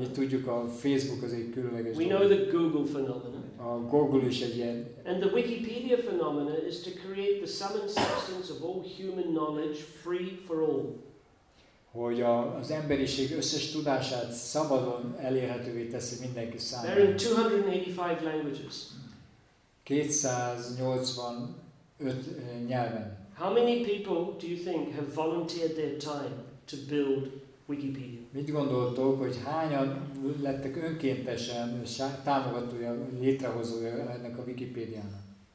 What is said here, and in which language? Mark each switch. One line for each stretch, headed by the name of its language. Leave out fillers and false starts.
Hungarian: Mi tudjuk, a Facebook az egy különleges dolog.
English: We know the Google phenomenon.
Hungarian: A Google is egy ilyen.
English: And the Wikipedia phenomenon is to create the sum and substance of all human knowledge free for all.
Hungarian: Hogy az emberiség összes tudását szabadon elérhetővé teszi mindenki számára.
English: There are 285 languages.
Hungarian: 285 nyelven.
English: How many people do you think have volunteered their time to build Wikipedia?
Hungarian: Mit gondoltok, hogy hányan lettek önkéntesen támogatója, létrehozója ennek a Wikipédiának?